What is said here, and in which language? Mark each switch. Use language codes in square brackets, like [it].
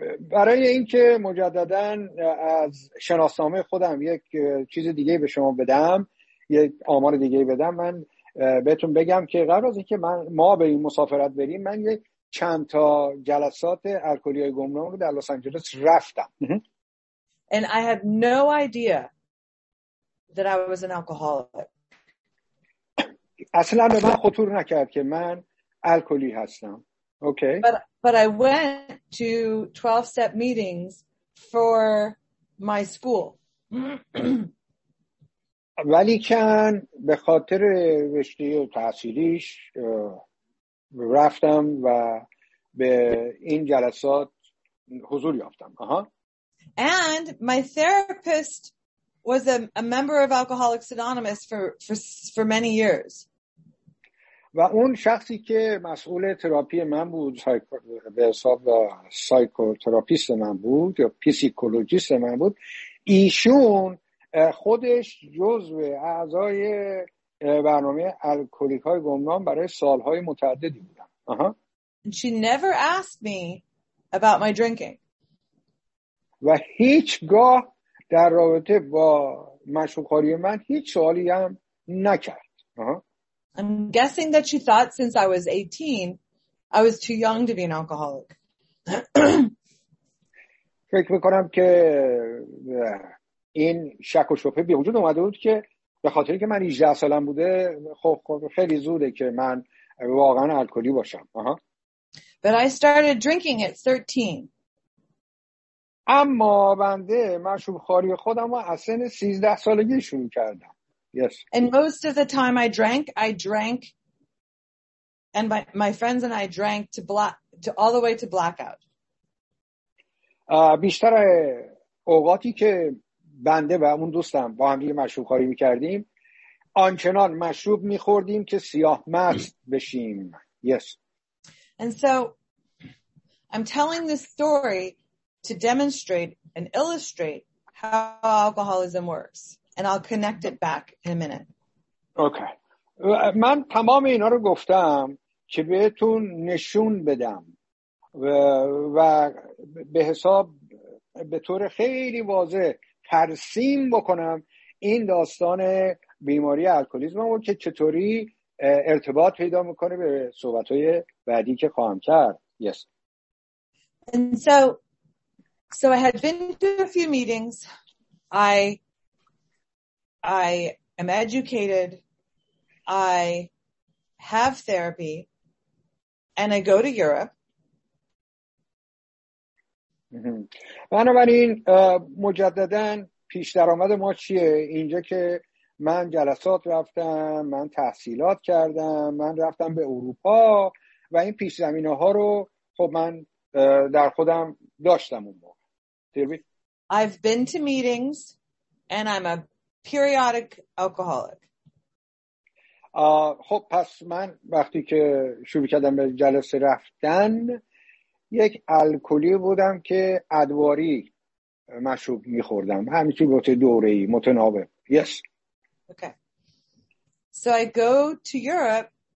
[fa] برای اینکه مجدداً از شناسنامه خودم یک چیز دیگه به شما بدم، یک آمار دیگه بدم، من بهتون بگم که قبل از اینکه ما به این مسافرت بریم، من یک چند تا جلسات الکلی های گمنام رو در لس آنجلس رفتم. [en] And I had no idea that I was an alcoholic. [fa] اصلا به من خطور نکرد که من الکلی هستم. [en] Okay. But I went to 12 step meetings for my school. [fa] ولیکن به خاطر رشته تحصیلیش رفتم و به این جلسات حضور یافتم. [en] And my therapist was a member of Alcoholics Anonymous for many years. [fa] و اون شخصی که مسئول تراپی من بود، به حساب سایکوتراپیست من بود یا پسیکولوژیست من بود، ایشون خودش جزو اعضای برنامه الکلیک های گمنام برای سالهای متعددی بودن. [en] She never asked me about my drinking. [fa] و هیچگاه در رابطه با مشروب‌خواری من هیچ سوالی هم نکرد. [en] I'm guessing that she thought since I was 18, I was too young to be an alcoholic. [fa] فکر میکنم که این شک و شبهه به وجود اومده بود که به خاطر که من 18 سالم بوده، خب خیلی زوده که من واقعا الکلی باشم. [en] But I started drinking at 13. [fa] اما بنده مشروب خواری خودم رو از سن 13 سالگی شروع کردم. [en] Yes. And most of the time I drank and my friends and I drank all the way to blackout. [fa] بیشتر اوقاتی که بنده و اون دوستم با هم دیگه مشروب خوری می‌کردیم، آنچنان مشروب می‌خوردیم که سیاه مست بشیم. [en] Yes. And so I'm telling this story to demonstrate and illustrate how alcoholism works. And I'll connect it back in a minute. Okay. [fa] من تمام اینا رو گفتم که بهتون نشون بدم و به حساب به طور خیلی واضح ترسیم بکنم این داستان بیماری الکلیسم رو که چطوری ارتباط پیدا میکنه به صحبت‌های بعدی که خواهم کرد. [en] Yes. And so I had been to a few meetings. I am educated. I have therapy, and I go to Europe. [fa] بنابراین مجدداً پیش درآمد ما چیه؟ اینجا که من جلسات رفتم، من تحصیلات کردم، من رفتم به اروپا و این پیش زمینه ها رو خب من در خودم داشتم اون موقع. [en] I've been to meetings and I'm a periodic alcoholic. [fa] خب پس من وقتی که شروع کردم به جلسه رفتن یک الکلی بودم که ادواری مشروب می‌خوردم. همینطور بوده دوره‌ای متناوب. [en] Yes. Okay. So I go to Europe.